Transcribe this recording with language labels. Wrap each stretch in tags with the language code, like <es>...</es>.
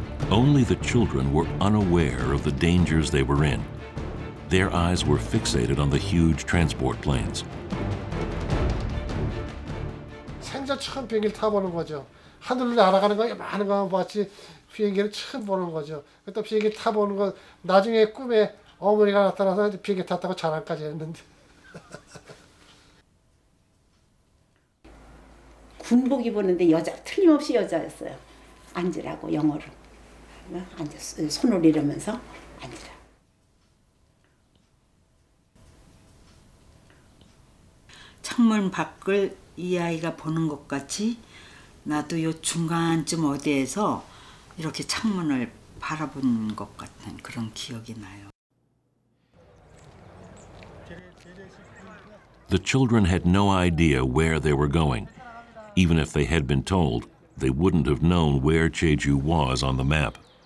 <en>Only the children were unaware of the dangers they were in. Their eyes were fixated on the huge transport planes.</en> <ko>진짜 처음 비행기 타보는 거죠. 하늘로 날아가는 거 많은 거 봤지 비행기를 처음 보는 거죠. 또 비행기 타보는 거 나중에 꿈에 어머니가 나타나서 비행기 탔다고 자랑까지 했는데. 군복 입었는데 여자 틀림없이 여자였어요. 앉으라고 영어로 앉아 손을 이러면서 앉으라. 창문 밖을 이 아이가 보는 것 같이 나도 요 중간쯤 어디에서 이렇게 창문을 바라본 것 같은 그런 기억이 나요.</ko> <en>The children had no idea where they were going. Even if they had been told, they wouldn't have known where Jeju was on the map.</en>